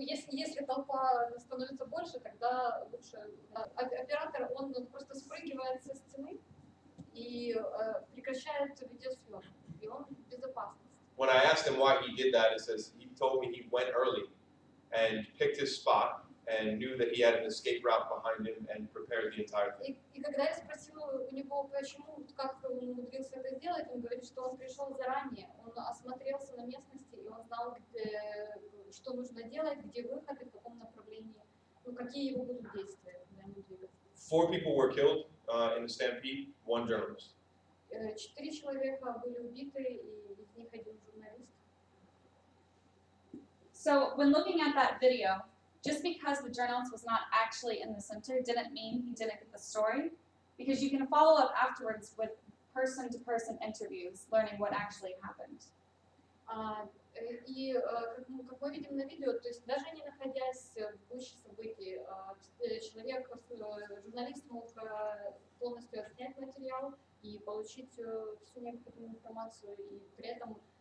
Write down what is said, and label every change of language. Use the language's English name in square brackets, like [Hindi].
[Russian] Если толпа становится больше, тогда лучше. Оператор, он просто спрыгивает со стены и прекращает видеосъемку, и он в безопасности. [English] When I asked him why he did that, he says he told me he went early and picked his spot and knew that he had an escape route behind him and prepared the entire thing. [Russian] И когда я спросила у него, почему, как он умудрился это сделать, он говорит, что он пришел заранее, он осмотрелся на местности, и он знал, где... что нужно делать, где выход и в каком направлении, ну какие его будут действия, когда они двигаются. [English] Four people were killed in the stampede, one journalist. [Russian] Четыре человека были убиты, и из них один журналист. [English] So, when looking at that video, just because the journalist was not actually in the center didn't mean he didn't get the story, because you can follow up afterwards with person-to-person interviews, learning what actually happened. [Russian] И как мы видим на видео, то есть даже не находясь в гуще событий, человек, журналист мог полностью отснять материал и получить всю необходимую информацию, и при этом